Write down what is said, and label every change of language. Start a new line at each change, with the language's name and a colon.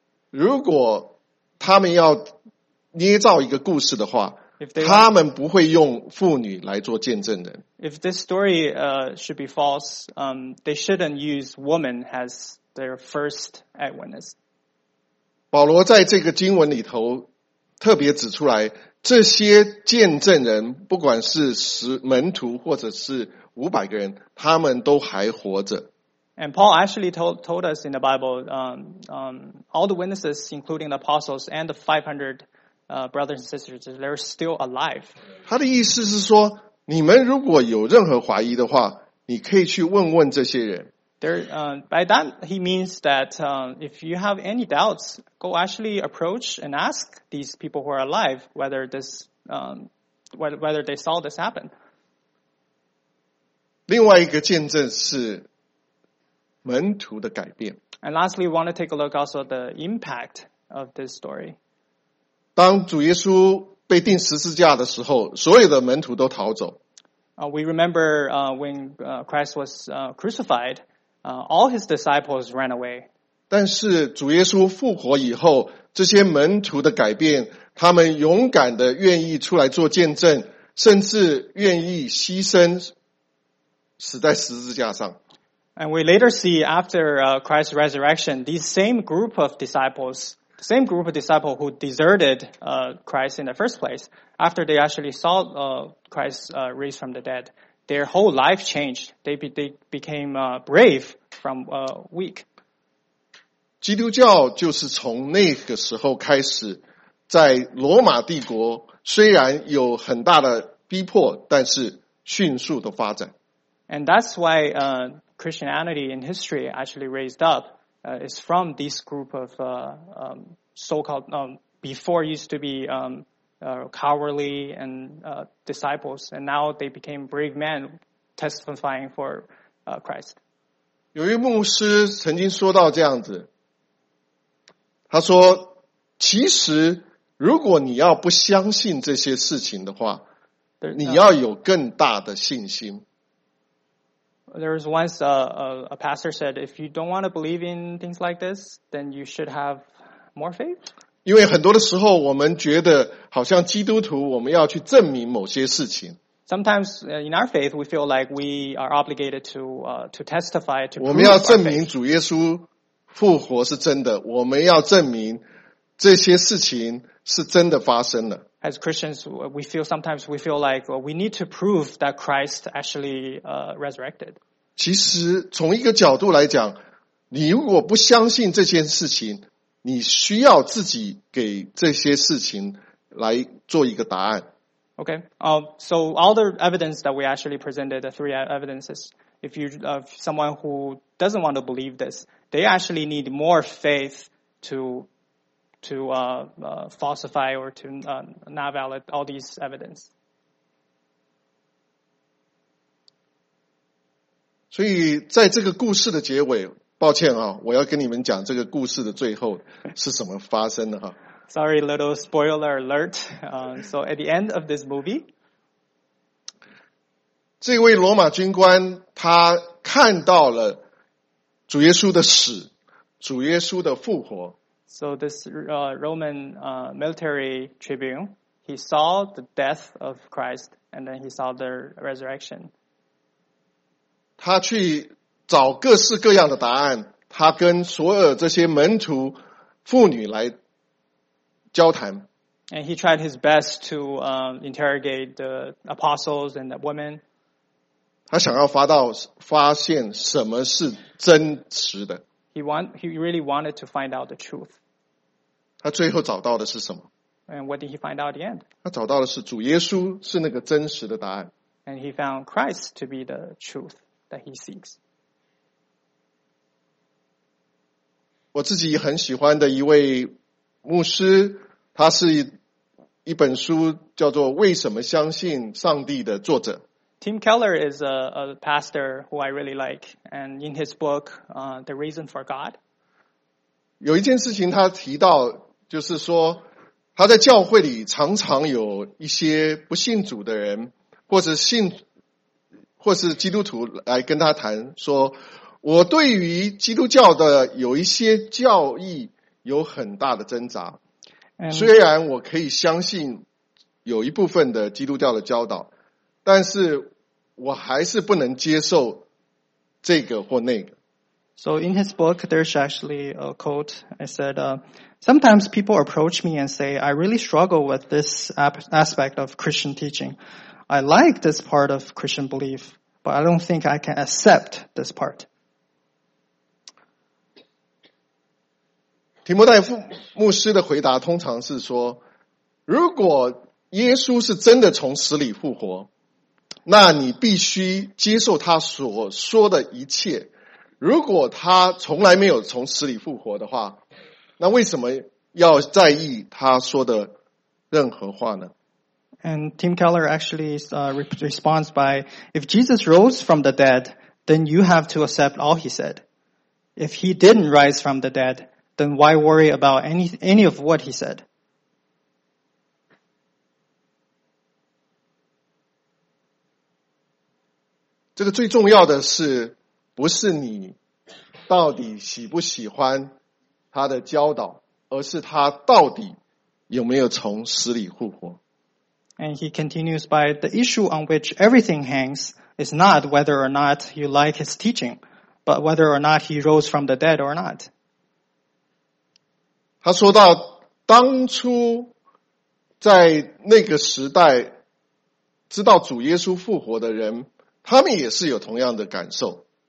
Chinese: 如果他们要捏造一个故事的话，他们不会用妇女来做见证人。
English: If this story should be false, they shouldn't use woman as their first eyewitness.
Chinese: 保罗在这个经文里头特别指出来，这些见证人，不管是门徒或者是五百个人，他们都还活着。
English: And Paul actually told us in the Bible, all the witnesses, including the apostles and the 500 brothers and sisters, they're still alive.
Chinese: 他的意思是说，你们如果有任何怀疑的话，你可以去问问这些人。
English: By that he means that if you have any doubts, go actually approach and ask these people who are alive whether this whether they saw this happen.
Chinese: 另外一个见证是。门徒的改变。
English: And lastly, we want to take a look also at the impact of this story.
Chinese: 当主耶稣被钉十字架的时候，所有的门徒都逃走。
English: We remember when Christ was crucified, all his disciples ran away.
Chinese: 但是主耶稣复活以后，这些门徒的改变，他们勇敢的愿意出来做见证，甚至愿意牺牲死在十字架上。
English: And we later see after Christ's resurrection, these same group of disciples, the same group of disciples who deserted Christ in the first place, after they actually saw Christ raised from the dead, their whole life changed. They became brave from weak.
Chinese: 基督教就是从那个时候开始，在罗马帝国虽然有很大的逼迫，但是迅速的发展。
English: And that's why Christianity in history actually raised up is from this group of so-called before used to be cowardly and disciples, and now they became brave men testifying for Christ.
Chinese: 有一牧师曾经说到这样子，他说：“其实，如果你要不相信这些事情的话，你要有更大的信心。”
English: There was once a pastor said, if you don't want to believe in things like this, then you should have more faith.
Chinese: 因为很多的时候我们觉得好像基督徒我们要去证明某些事情。
English: Sometimes in our faith, we feel like we are obligated to testify, to prove.
Chinese: 我们要证明主耶稣复活是真的，我们要证明这些事情是真的发生了。
English: As Christians, we feel like we need to prove that Christ actually resurrected.
Chinese: 其实从一个角度来讲，你如果不相信这件事情，你需要自己给这些事情来做一个答案。
English: Okay. So all the evidence that we actually presented, the three evidences, if you someone who doesn't want to believe this, they actually need more faith to falsify or to not valid all these evidence.
Chinese: 所以在这个故事的结尾，抱歉啊，我要跟你们讲这个故事的最后是什么发生的哈。
English: Sorry, little spoiler alert. So at the end of this movie,
Chinese: 这位罗马军官他看到了主耶稣的死，主耶稣的复活。
English: So this Roman military tribune, he saw the death of Christ, and then he saw the resurrection.
Chinese: 他去找各式各样的答案，他跟所有这些门徒、妇女来交谈。
English: And he tried his best to interrogate the apostles and the women.
Chinese: 他想要发现什么是真实的。
English: He really wanted to find out the truth.
Chinese: 他最后找到的是什么？
English: And what did he find out at the end?
Chinese: 他找到的是主耶稣是那个真实的答案。
English: And he found Christ to be the truth that he seeks.
Chinese: 我自己很喜欢的一位牧师，他是一本书叫做《为什么相信上帝》的作者。
English: Tim Keller is a pastor who I really like, and in his book, The Reason for God.
Chinese: 有一件事情他提到，就是说他在教会里常常有一些不信主的人，或是基督徒来跟他谈，说我对于基督教的有一些教义有很大的挣扎。虽然我可以相信有一部分的基督教的教导，但是我还是不能接受这个或那个。
English: So in his book, there's actually a quote. I said, sometimes people approach me and say, I really struggle with this aspect of Christian teaching. I like this part of Christian belief, but I don't think I can accept this part.
Chinese: 提摩太牧师的回答通常是说，如果耶稣是真的从死里复活，那你必须接受他所说的一切。如果他从来没有从死里复活的话，那为什么要在意他说的任何话呢？
English: And Tim Keller actually responds by, if Jesus rose from the dead, then you have to accept all he said. If he didn't rise from the dead, then why worry about any of what he said?
Chinese: 这个最重要的是，不是你到底喜不喜欢他的教导，而是他到底有没有从死里复活。
English: And he continues by the issue on which everything hangs is not whether or not you like his teaching, but whether or not he rose from the dead or not.
Chinese: 他说到当初在那个时代知道主耶稣复活的人，他们也是有同样的感受。